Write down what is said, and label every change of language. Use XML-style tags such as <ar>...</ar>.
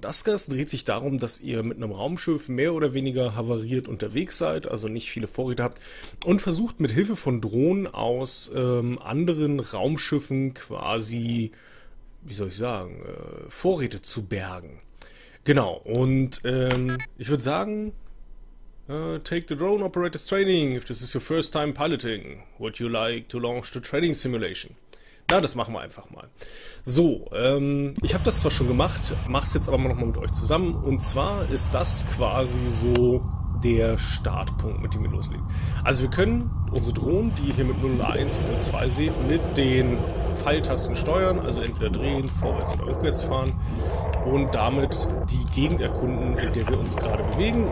<de>Duskers dreht sich darum, dass ihr mit einem Raumschiff mehr oder weniger havariert unterwegs seid, also nicht viele Vorräte habt und versucht mit Hilfe von Drohnen aus anderen Raumschiffen quasi, wie soll ich sagen, Vorräte zu bergen. Genau, und ich würde sagen,</de> <en>take the drone operator's training. If this is your first time piloting, would you like to launch the training simulation?</en> <de>Na, das machen wir einfach mal. So, ich habe das zwar schon gemacht, mach's jetzt aber nochmal mit euch zusammen. Und zwar ist das quasi so der Startpunkt, mit dem wir loslegen. Also wir können unsere Drohnen, die ihr hier mit 01 und 02 seht, mit den Pfeiltasten steuern, also entweder drehen, vorwärts oder rückwärts fahren und damit die Gegend erkunden, in der wir uns gerade bewegen.</de>